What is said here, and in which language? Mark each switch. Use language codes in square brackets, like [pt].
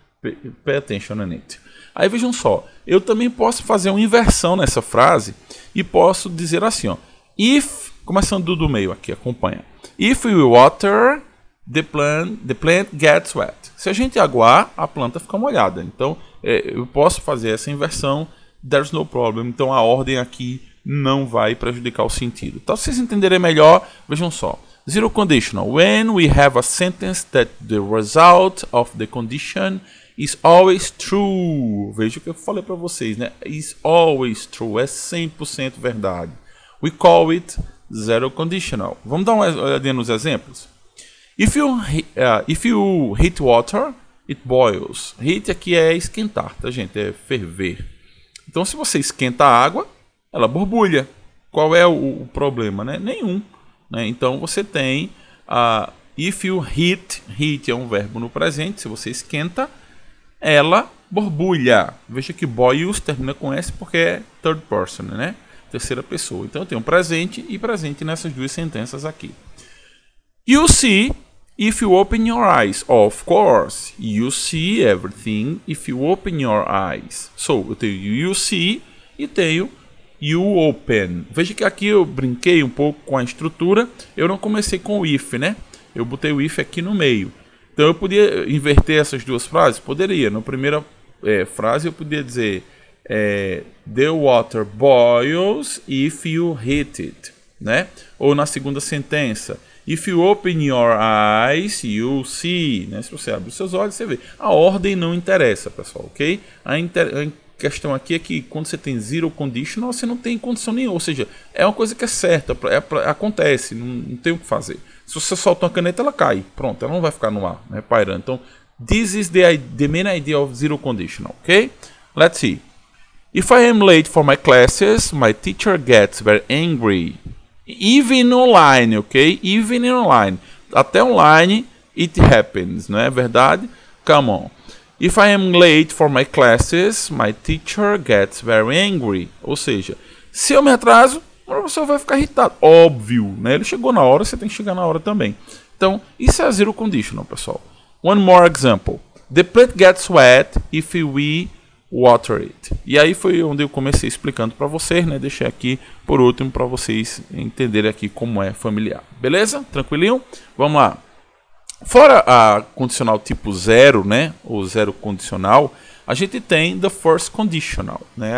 [en] Pay attention on it. [pt] Aí vejam só, eu também posso fazer uma inversão nessa frase e posso dizer assim, ó, if, começando do meio aqui, acompanha, [en] if we water, The plant gets wet. [pt] Se a gente aguar, a planta fica molhada. Então, eu posso fazer essa inversão. [en] There's no problem. [pt] Então, a ordem aqui não vai prejudicar o sentido. Então, vocês entenderem melhor, vejam só. Zero conditional. [en] When we have a sentence that the result of the condition is always true. [pt] Veja o que eu falei para vocês, né? [en] Is always true. [pt] É 100% verdade. [en] We call it zero conditional. [pt] Vamos dar uma olhadinha nos exemplos? [en] If you heat water, it boils. [pt] Heat aqui é esquentar, tá, gente? É ferver. Então, se você esquenta a água, ela borbulha. Qual é o problema, né? Nenhum, né? Então, você tem if you heat, heat é um verbo no presente. Se você esquenta, ela borbulha. Veja que boils termina com S porque é third person, né? Terceira pessoa. Então, eu tenho presente e presente nessas duas sentenças aqui. [en] You see if you open your eyes. Of course, you see everything if you open your eyes. [pt] So, eu tenho you see e tenho you open. Veja que aqui eu brinquei um pouco com a estrutura. Eu não comecei com o if, né? Eu botei o if aqui no meio. Então, eu podia inverter essas duas frases? Poderia. Na primeira frase, eu podia dizer [en] the water boils if you heat it, [pt] né? Ou na segunda sentença, [en] if you open your eyes, you'll see. Né? [pt] Se você abre os seus olhos, você vê. A ordem não interessa, pessoal, ok? A questão aqui é que quando você tem zero conditional, você não tem condição nenhuma. Ou seja, é uma coisa que é certa, acontece, não tem o que fazer. Se você solta uma caneta, ela cai. Pronto, ela não vai ficar no ar, né, pairando. Então, [en] this is the main idea of zero conditional, ok? Let's see. If I am late for my classes, my teacher gets very angry. Even online, ok? Even online. [pt] Até online, [en] it happens, [pt] não é verdade? [en] Come on. If I am late for my classes, my teacher gets very angry. [pt] Ou seja, se eu me atraso, o professor vai ficar irritado. Óbvio, né? Ele chegou na hora, você tem que chegar na hora também. Então, isso é zero conditional, pessoal. [en] One more example. The plant gets wet if we water it. [pt] E aí foi onde eu comecei explicando para vocês, né? Deixei aqui por último para vocês entenderem aqui como é familiar. Beleza? Tranquilinho? Vamos lá. Fora a condicional tipo zero, né? Ou zero condicional, a gente tem the first conditional, né?